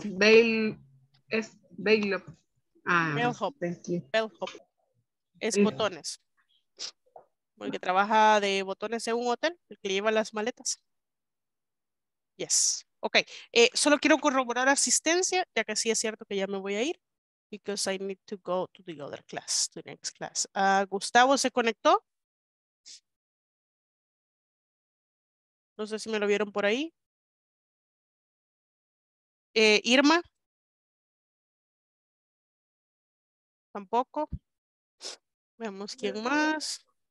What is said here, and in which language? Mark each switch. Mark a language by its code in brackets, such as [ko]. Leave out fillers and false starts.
[en] Bellhop. [es] Bellhop, Bellhop. Es botones. Porque trabaja de botones en un hotel, el que lleva las maletas. [en] Yes. Ok. [es] Solo quiero corroborar asistencia, ya que sí es cierto que ya me voy a ir. [en] because I need to go to the other class, to the next class. [es] Gustavo, ¿se conectó? No sé si me lo vieron por ahí. Irma. Tampoco. Veamos quién más.